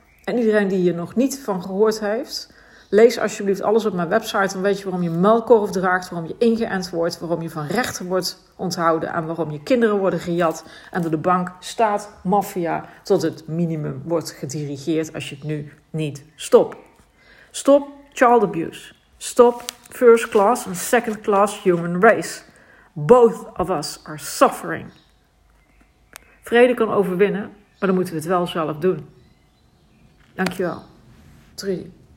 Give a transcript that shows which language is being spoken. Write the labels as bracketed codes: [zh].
[nl] En iedereen die hier nog niet van gehoord heeft, lees alsjeblieft alles op mijn website. Dan weet je waarom je muilkorf draagt, waarom je ingeënt wordt, waarom je van rechter wordt onthouden en waarom je kinderen worden gejat en door de bank staat maffia tot het minimum wordt gedirigeerd als je het nu niet stopt. [en] Stop child abuse. Stop first class and second class human race. Both of us are suffering. [nl] Vrede kan overwinnen, maar dan moeten we het wel zelf doen. Dankjewel. Trudy.